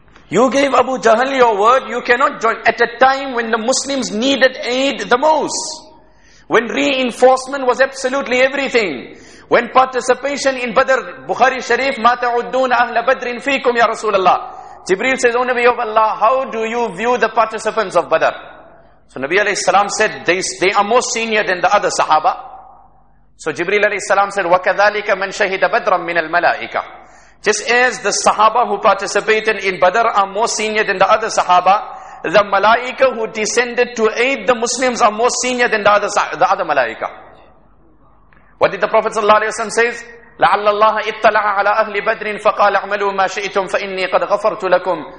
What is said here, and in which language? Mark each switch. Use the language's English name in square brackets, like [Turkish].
[English] You gave Abu Jahl your word, you cannot join. At a time when the Muslims needed aid the most, when reinforcement was absolutely everything, when participation in Badr, Bukhari Sharif, [Arabic] مَا تَعُدُّونَ أَهْلَ بَدْرٍ فِيكُمْ يَا رَسُولَ اللَّهِ. [English] Jibreel says, O Nabi of Allah, how do you view the participants of Badr? So Nabi alayhi salam said, they are more senior than the other Sahaba. So Jibreel alayhi salam said, [Arabic] وَكَذَلِكَ مَنْ شَهِدَ بَدْرًا مِنَ الْمَلَائِكَةِ. [English] Just as the Sahaba who participated in Badr are more senior than the other Sahaba, the Malaika who descended to aid the Muslims are more senior than the other Malaika. What did the Prophet ﷺ say? [Arabic] لَعَلَّ اللَّهَ اِطَّلَعَ عَلَىٰ أَهْلِ بَدْرٍ فَقَالَ اعْمَلُوا مَا شَئِتُمْ فَإِنِّي قَدْ غَفَرْتُ لَكُمْ.